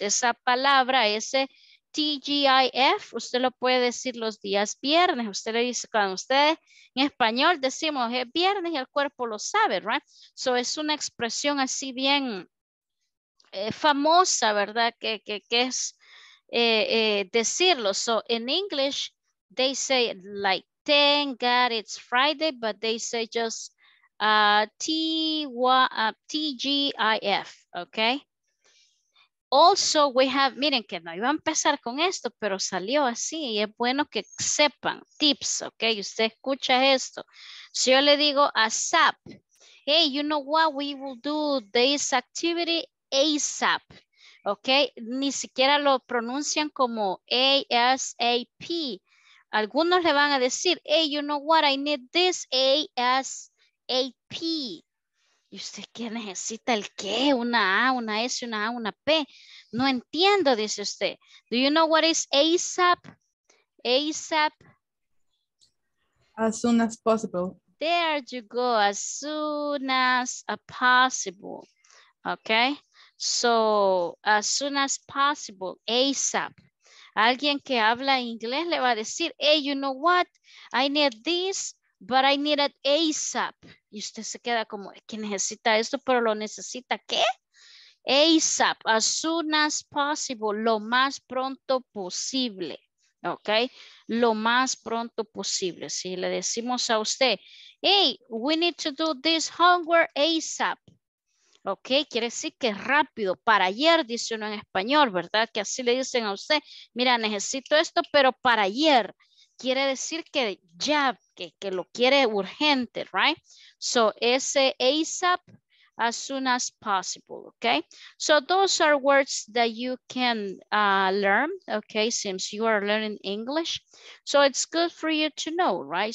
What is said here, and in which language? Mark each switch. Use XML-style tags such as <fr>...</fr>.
<es>Esa palabra, ese T-G-I-F, usted lo puede decir los días viernes. Usted le dice, cuando usted en español decimos es viernes y el cuerpo lo sabe, ¿verdad? Right? So es una expresión así bien famosa, ¿verdad? Que es decirlo.</es> <en>So in English, they say like, thank God it's Friday, but they say just T-G-I-F, okay? Also, we have,</en> <es>miren que no iba a empezar con esto, pero salió así y es bueno que sepan tips, ok, usted escucha esto. Si yo le digo ASAP,</es> <en>hey, you know what, we will do this activity ASAP,</en> <es>ok, ni siquiera lo pronuncian como ASAP. Algunos le van a decir,</es> <en>hey, you know what, I need this ASAP.</en> <es>¿Y usted qué necesita? ¿El qué? ¿Una A, una S, una A, una P? No entiendo, dice usted.</es> <en>Do you know what is ASAP? ASAP. As soon as possible. There you go. As soon as possible. Okay. So, as soon as possible. ASAP.</en> <es>Alguien que habla inglés le va a decir,</es> <en>hey, you know what? I need this, but I need it ASAP.</en> <es>Y usted se queda como, ¿qué necesita esto? Pero lo necesita, ¿qué?</es> <en>ASAP, as soon as possible,</en> <es>lo más pronto posible. ¿Ok? Lo más pronto posible. Si le decimos a usted,</es> <en>hey, we need to do this homework ASAP.</en> <es>Ok, quiere decir que rápido, para ayer, dice uno en español, ¿verdad? Que así le dicen a usted, mira, necesito esto, pero para ayer. Quiere decir que ya, que lo quiere urgente, right? So, ese ASAP,</es> <en>as soon as possible,</en> <es>ok?</es> <en>So, those are words that you can learn, ok? Since you are learning English. So, it's good for you to know, right?</en>